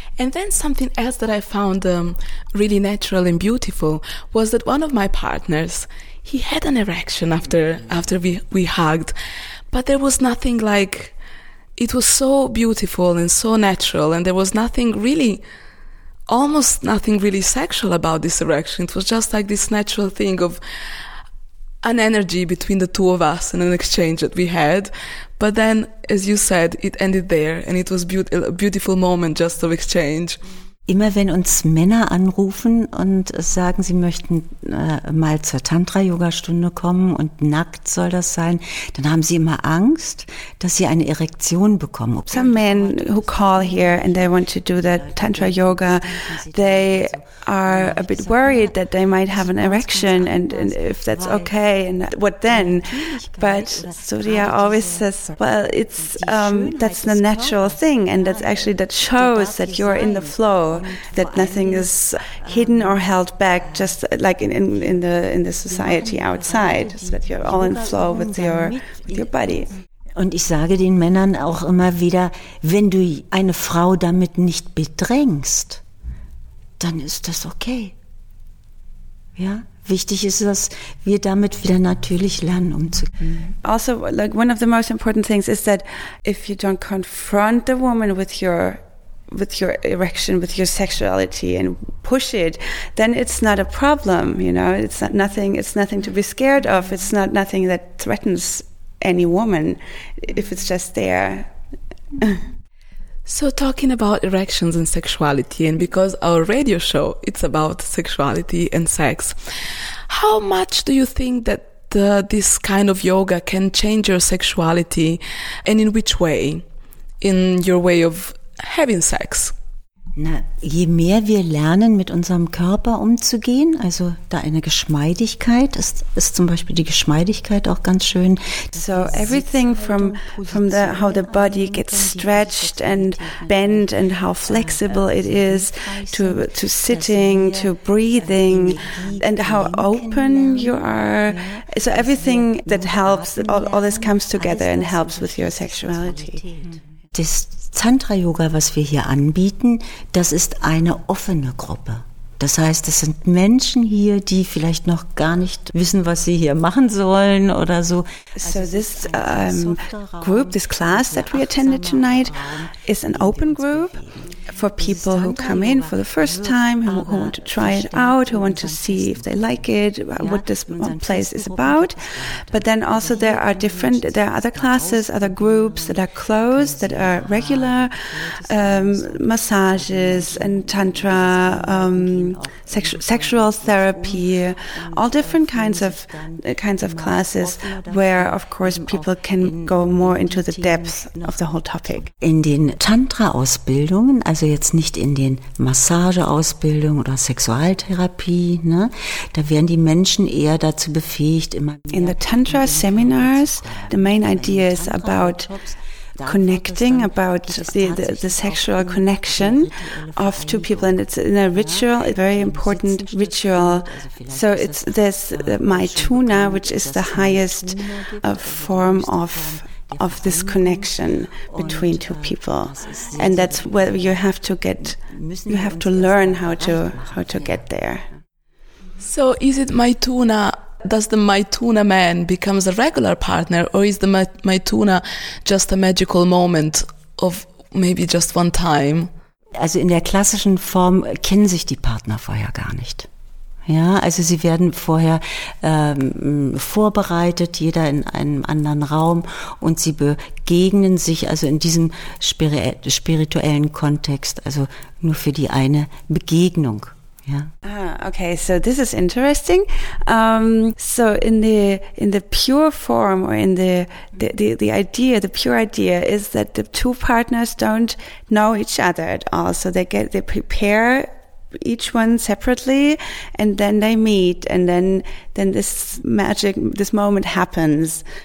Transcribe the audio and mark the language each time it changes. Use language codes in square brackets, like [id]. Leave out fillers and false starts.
[en] And then something else that I found really natural and beautiful was that one of my partners, he had an erection after we hugged, but there was nothing like, it was so beautiful and so natural, and there was almost nothing really sexual about this erection. It was just like this natural thing of an energy between the two of us and an exchange that we had. But then, as you said, it ended there and it was a beautiful moment just of exchange. [de] Immer wenn uns Männer anrufen und sagen, sie möchten mal zur Tantra-Yoga-Stunde kommen und nackt soll das sein, dann haben sie immer Angst, dass sie eine Erektion bekommen. [en] Ob some men who call here and they want to do that Tantra-Yoga, they are a bit worried that they might have an erection and if that's okay and what then. But Surya always says, well, that's the natural thing, and that's actually, that shows that you're in the flow, that nothing is hidden or held back, just like in the society outside, so that you're all in flow with your body. [de] Und ich sage den Männern auch immer wieder, wenn du eine Frau damit nicht bedrängst, dann ist das okay. Ja? Wichtig ist, dass wir damit wieder natürlich lernen umzugehen. [en] Also, like one of the most important things is that if you don't confront the woman with your erection, with your sexuality, and push it, then it's not a problem, you know. It's nothing to be scared of. It's not nothing that threatens any woman if it's just there. So talking about erections and sexuality, and because our radio show, it's about sexuality and sex, how much do you think that this kind of yoga can change your sexuality, and in which way? In your way of having sex. [de] Na, je mehr wir lernen, mit unserem Körper umzugehen, also da eine Geschmeidigkeit ist zum Beispiel die Geschmeidigkeit auch ganz schön. [en] So everything from the how the body gets stretched and bent and how flexible it is to sitting, to breathing and how open you are. So everything that helps, all this comes together and helps with your sexuality. [de] Das Tantra-Yoga, was wir hier anbieten, das ist eine offene Gruppe. Das heißt, es sind Menschen hier, die vielleicht noch gar nicht wissen, was sie hier machen sollen oder so. [en] So this group, this class that we attended tonight, is an open group for people who come in for the first time, who want to try it out, who want to see if they like it, what this place is about. But then also there are other classes, other groups that are closed, that are regular, massages and tantra, sexual therapy, all different kinds of classes, where of course people can go more into the depth of the whole topic. [de] In den Tantra-Ausbildungen, also jetzt nicht in den Massage-Ausbildung oder Sexualtherapie, ne, da werden die Menschen eher dazu befähigt, immer mehr. [en] In the Tantra seminars, the main idea is about connecting, about the sexual connection of two people, and it's in a ritual, a very important ritual. So it's this Maituna, which is the highest form of this connection between two people, and that's where you have to learn how to get there. So is it Maituna? Does the Maituna man become a regular partner, or is the Maituna just a magical moment of maybe just one time? [de] Also in der klassischen Form kennen sich die Partner vorher gar nicht. Ja, also sie werden vorher vorbereitet, jeder in einem anderen Raum, und sie begegnen sich also in diesem spirituellen Kontext, also nur für die eine Begegnung. [en] Yeah. Okay, so this is interesting. So in the pure form, or in the pure idea is that the two partners don't know each other at all. So they prepare each one separately, and then they meet, and then this moment happens.